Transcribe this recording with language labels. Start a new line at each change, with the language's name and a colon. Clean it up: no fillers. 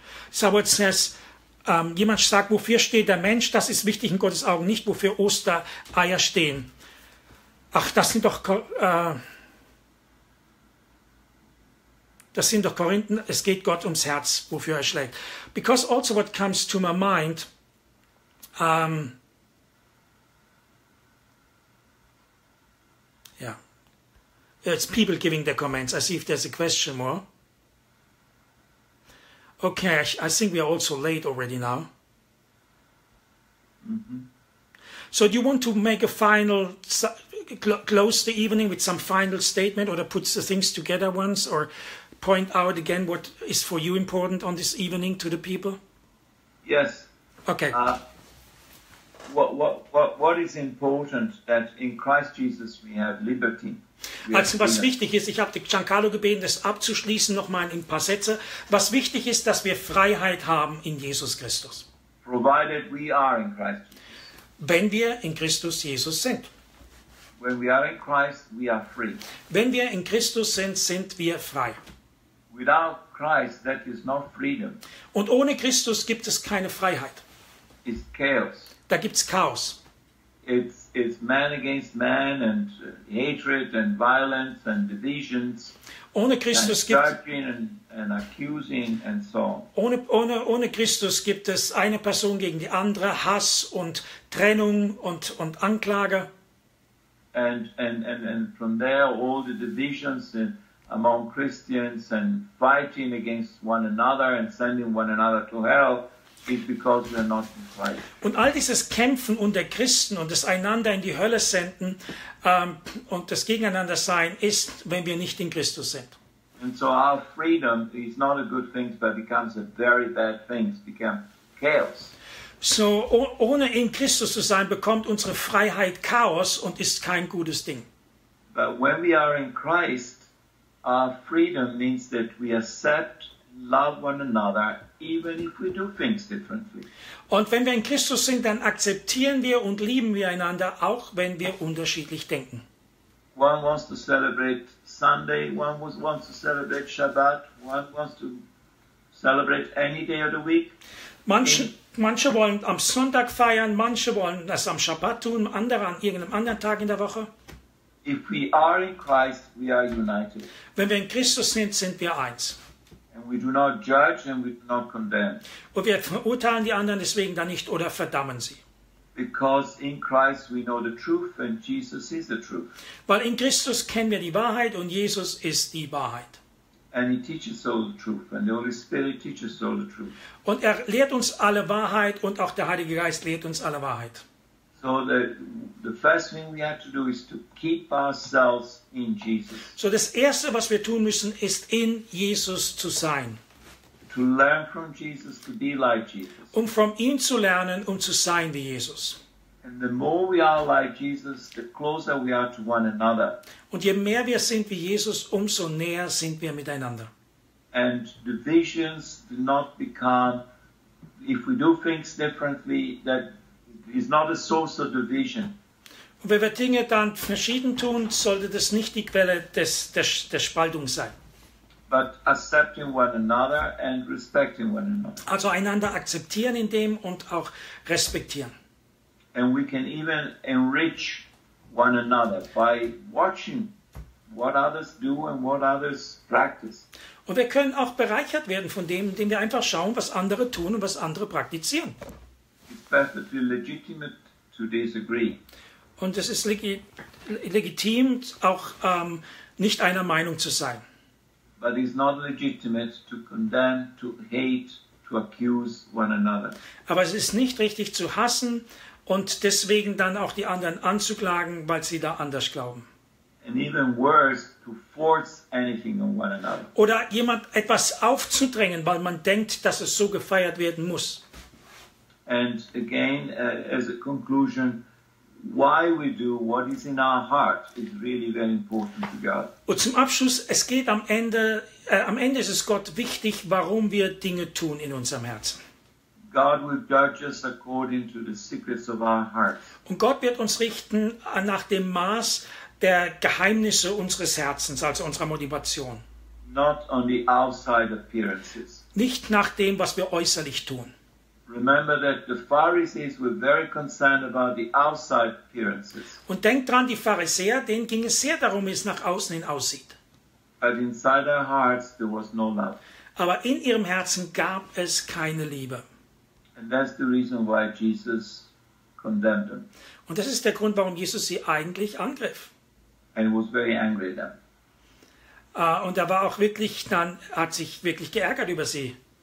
English: Sabbath says,
German: jemand sagt, wofür steht der Mensch? Das ist wichtig in Gottes Augen, nicht wofür Ostereier stehen. Ach, das sind doch Korinthen. Es geht Gott ums Herz, wofür er schlägt.
English: Because also what comes to my mind, it's people giving their comments. I see if there's a question more. Okay, I think we are also late already now. Mm-hmm. So do you want to make a final, close the evening with some final statement or to put the things together once or point out again what is for you important on this evening to the people? Yes. Okay. What is important that in Christ Jesus we have liberty?
German: Also was wichtig ist, ich habe Giancarlo gebeten, das abzuschließen, nochmal in ein paar Sätze. Was wichtig ist, dass wir Freiheit haben in Jesus Christus.
English: Provided we are in Christ.
German: Wenn wir in Christus Jesus sind.
English: When we are in Christ, we are free.
German: Wenn wir in Christus sind, sind wir frei.
English: Without Christ, that is not freedom.
German: Und ohne Christus gibt es keine Freiheit.
English: It's chaos.
German: Da gibt es Chaos.
English: It's man against man and hatred and violence and divisions.
German: Ohne Christus gibt es
English: and accusing and so on.
German: Ohne Christus gibt es eine Person gegen die andere, Hass und Trennung und Anklage.
English: And from there all the divisions among Christians and fighting against one another and sending one another to hell. Because we are not in Christ.
German: Und all dieses Kämpfen unter Christen und das einander in die Hölle senden und das Gegeneinander sein ist, wenn wir nicht in Christus sind.
English: And so our freedom is not a good thing, but becomes a very bad thing. It becomes chaos.
German: So ohne in Christus zu sein, bekommt unsere Freiheit Chaos und ist kein gutes Ding.
English: But when we are in Christ, our freedom means that we accept, love one another. Even if we do things differently.
German: Und wenn wir in Christus sind, dann akzeptieren wir und lieben wir einander, auch wenn wir unterschiedlich denken.
English: One wants to celebrate Sunday, one wants to celebrate Shabbat, one wants to celebrate any day of the week.
German: Manche wollen am Sonntag feiern, manche wollen das am Shabbat tun, andere an irgendeinem anderen Tag in der Woche.
English: If we are in Christ, we are united.
German: Wenn wir in Christus sind, sind wir eins.
English: We do not judge and we do not condemn.
German: Und wir verurteilen die anderen deswegen dann nicht oder verdammen sie.
English: Because in Christ we know the truth and Jesus is the truth.
German: Weil in Christus kennen wir die Wahrheit und Jesus ist die Wahrheit.
English: And he teaches all the truth and the Holy Spirit teaches all the truth.
German: Und er lehrt uns alle Wahrheit und auch der Heilige Geist lehrt uns alle Wahrheit.
English: So the first thing we have to do is to keep ourselves in Jesus.
German: So das erste, was wir tun müssen, ist in Jesus zu sein.
English: To learn from Jesus, to be like Jesus.
German: Um von ihm zu lernen, um zu sein wie Jesus.
English: And the more we are like Jesus, the closer we are to one another.
German: Und je mehr wir sind wie Jesus, umso näher sind wir miteinander.
English: And the visions do not become, if we do things differently, that is not a source of division.
German: Und wenn wir Dinge dann verschieden tun, sollte das nicht die Quelle der Spaltung sein.
English: But accepting one another and respecting one another.
German: Also einander akzeptieren in dem und auch respektieren.
English: And we can even enrich one another by watching what others do and what others practice.
German: Und wir können auch bereichert werden von dem, indem wir einfach schauen, was andere tun und was andere praktizieren.
English: It's perfectly legitimate to disagree.
German: Und es ist legitim, auch nicht einer Meinung zu sein.
English: But it's not legitimate to condemn, to hate, to accuse one another.
German: Aber es ist nicht richtig zu hassen und deswegen dann auch die anderen anzuklagen, weil sie da anders glauben.
English: And even worse, to force anything on one another.
German: Oder jemand etwas aufzudrängen, weil man denkt, dass es so gefeiert werden muss.
English: And again, as a conclusion, why we do what is in our heart is really very important to God.
German: Und zum Abschluss, es geht am Ende ist es Gott wichtig, warum wir Dinge tun in unserem Herzen.
English: God will judge us according to the secrets of our hearts.
German: Und Gott wird uns richten nach dem Maß der Geheimnisse unseres Herzens, also unserer Motivation.
English: Not on the outside appearances.
German: Nicht nach dem, was wir äußerlich tun.
English: Remember that the Pharisees were very concerned about the outside appearances.
German: Und denkt dran, die Pharisäer, denen ging es sehr darum, wie es nach außen hin aussieht.
English: But inside their hearts there was no love.
German: Aber in ihrem Herzen gab es keine Liebe.
English: And that's the reason why Jesus condemned them.
German: Und das ist der Grund, warum Jesus sie eigentlich angriff.
English: And he was very angry then.
German: Und er war auch wirklich dann hat sich wirklich geärgert über sie.